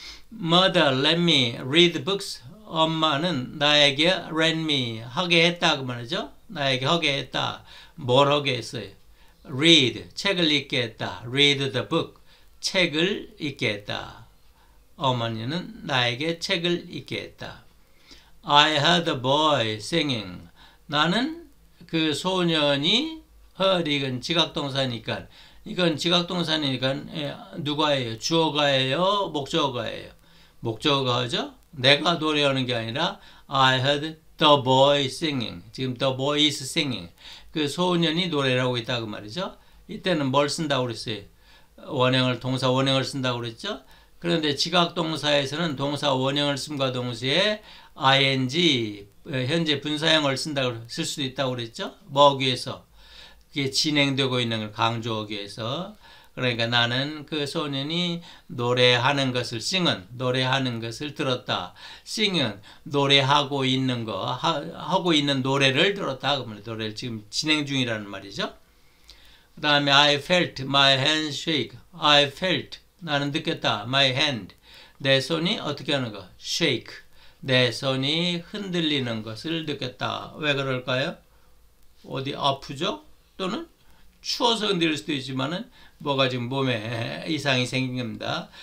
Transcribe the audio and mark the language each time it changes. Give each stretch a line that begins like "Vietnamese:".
English: Mother, let me read books.
Korean: 엄마는 나에게
English: let me
Korean: 하게 했다고 말이죠. 나에게 하게 했다. 뭘 하게 했어요? Read 책을 읽게 했다.
English: Read the book
Korean: 책을 읽게 했다. 어머니는 나에게 책을 읽게 했다.
English: I heard a boy singing.
Korean: 나는 그 소년이 heard 이건 지각동사니까 이건 지각동사니까 누가예요? 주어가예요? 목적어가예요? 목적어가죠? 내가 노래하는 게 아니라
English: I heard the boy singing. 지금 the boy is singing.
Korean: 그 소년이 노래를 하고 있다고 말이죠. 이때는 뭘 쓴다고 그랬어요? 원형을 동사 원형을 쓴다고 그랬죠. 그런데 지각 동사에서는 동사 원형을 씀과 동시에 ing 현재 분사형을 쓴다고 쓸 수도 있다고 그랬죠. 뭐 하기 위해서 그게 진행되고 있는 걸 강조하기 위해서. 그러니까 나는 그 소년이 노래하는 것을 singing 노래하는 것을 들었다. singing 노래하고 있는 거 하고 있는 노래를 들었다. 그러면 노래를 지금 진행 중이라는 말이죠.
English: 그다음에 I felt my hand shake. I felt
Korean: 나는 느꼈다.
English: My hand
Korean: 내 손이 어떻게 하는 거? shake 내 손이 흔들리는 것을 느꼈다. 왜 그럴까요? 어디 아프죠? 또는 추워서 흔들릴 수도 있지만은 뭐가 지금 몸에 이상이 생긴 겁니다.